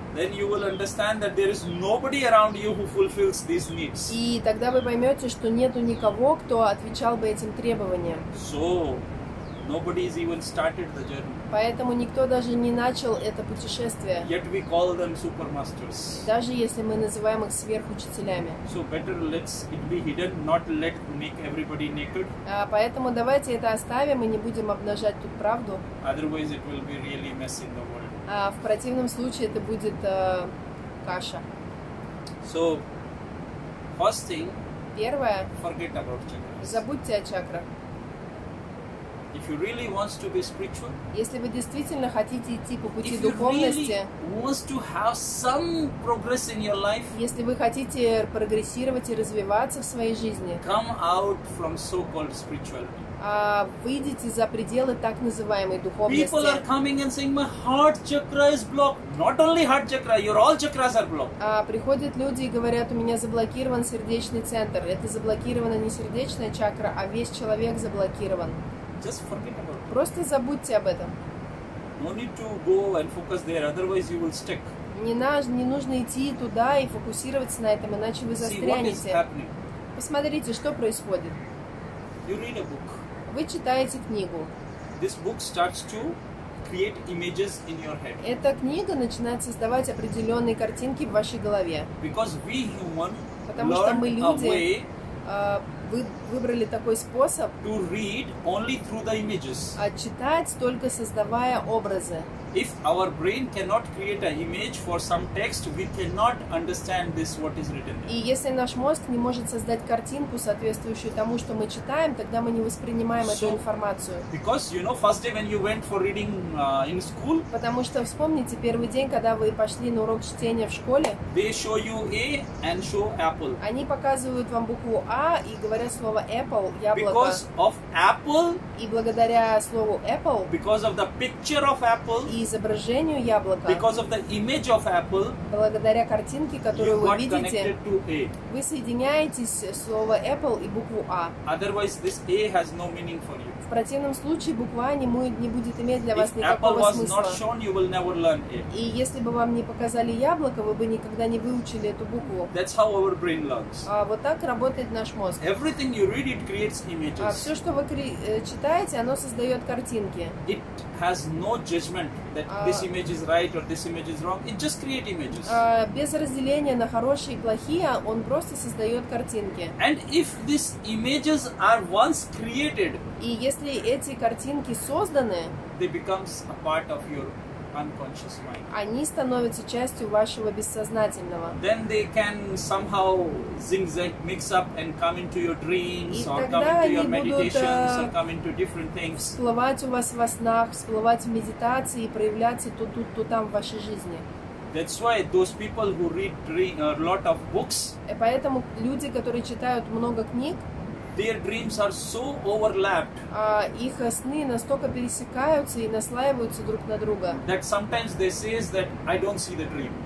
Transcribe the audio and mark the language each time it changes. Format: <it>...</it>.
<en>then you will understand that there is nobody around you who fulfills these needs.</en> <ru>И тогда вы поймете, что нету никого, кто отвечал бы этим требованиям.</ru> <en>So nobody has even started the journey.</en> <ru>Поэтому никто даже не начал это путешествие.</ru> <en>Yet we call them supermasters.</en> <ru>Даже если мы называем их сверхучителями.</ru> <en>So better let's it be hidden, not let make everybody naked.</en> <ru>Поэтому давайте это оставим и не будем обнажать тут правду.</ru> <en>Otherwise it will be really mess in the world.</en> <ru>В противном случае это будет каша.</ru> <en>So first thing.</en> <ru>Первое.</ru> <en>Forget about chakras.</en> <ru>Забудьте о чакрах.</ru> <en>If you really wants to be spiritual,</en> <ru>если вы действительно хотите идти по пути духовности,</ru> <en>really wants to have some progress in your life,</en> <ru>если вы хотите прогрессировать и развиваться в своей жизни,</ru> <en>come out from so-called spirituality.</en> <ru>Выйдите за пределы так называемой духовности.</ru> <en>People are coming and saying my heart chakra is blocked. Not only heart chakra, your all chakras are blocked.</en> <ru>Приходят люди и говорят, у меня заблокирован сердечный центр. Это заблокирована не сердечная чакра, а весь человек заблокирован.</ru> <en>Just forget about it.</en> <ru>Просто забудьте об этом.</ru> <en>No need to go and focus there, otherwise you will stick.</en> <ru>Не нужно идти туда и фокусироваться на этом, иначе вы застрянете.</ru> <en>See what is happening.</en> <ru>Посмотрите, что происходит.</ru> <en>You read a book.</en> <ru>Вы читаете книгу.</ru> <en>This book starts to create images in your head.</en> <ru>Эта книга начинает создавать определенные картинки в вашей голове.</ru> <en>Because we human</en> <ru>потому что мы люди. Вы выбрали такой способ</ru> <en>to read only through the images.</en> <ru>Читать только создавая образы.</ru> <en>If our brain cannot create an image for some text, we cannot understand this what is written.</en> <ru>И если наш мозг не может создать картинку, соответствующую тому, что мы читаем, тогда мы не воспринимаем эту информацию.</ru> <en>Because you know, first day when you went for reading in school.</en> <ru>Потому что вспомните первый день, когда вы пошли на урок чтения в школе.</ru> <en>They show you A and show apple.</en> <ru>Они показывают вам букву А и говорят слово apple, яблоко.</ru> <en>Because of apple.</en> <ru>И благодаря слову apple.</ru> <en>Because of the picture of apple.</en> <ru>И изображению яблока.</ru> <en>Because of the image of apple,</en> <ru>благодаря картинке, которую</ru> <en>you</en> <ru>вы видите,</ru> <en>connected to A.</en> <ru>Вы соединяетесь слово apple и букву А.</ru> <en>Otherwise, this A has no meaning for you.</en> <ru>В противном случае буква А не будет иметь для</ru> <en>If</en> <ru>вас никакого</ru> <en>apple was</en> <ru>смысла.</ru> <en>Not shown, you will never learn A.</en> <ru>И если бы вам не показали яблоко, вы бы никогда не выучили эту букву.</ru> <en>That's how our brain learns.</en> <ru>Вот так работает наш мозг.</ru> <en>Everything you read, it creates images.</en> <ru>Все, что вы читаете, оно создает картинки.</ru> <en>It has no judgment. That this image is right or this image is wrong. It just creates images.</en> <ru>Без разделения на хорошие и плохие, он просто создает картинки.</ru> <en>And if these images are once created,</en> <ru>и если эти картинки созданы,</ru> <en>they becomes a part of your unconscious mind.</en> <ru>Они становятся частью вашего бессознательного.</ru> <en>Then they can somehow zigzag, mix up and come into your dreams</en> <ru>и</ru> <en>or come into your meditations</en> <ru>будут,</ru> <en>or come into different things.</en> <ru>Всплывать у вас во снах, всплывать в медитации и проявляться то там в вашей жизни.</ru> <en>That's why those people who read a lot of books.</en> <ru>И поэтому люди, которые читают много книг,</ru> <en>their dreams are so overlapped.</en> <ru>Их сны настолько пересекаются и наслаиваются друг на друга.</ru> <en>That sometimes they say that I don't see the dream.</en>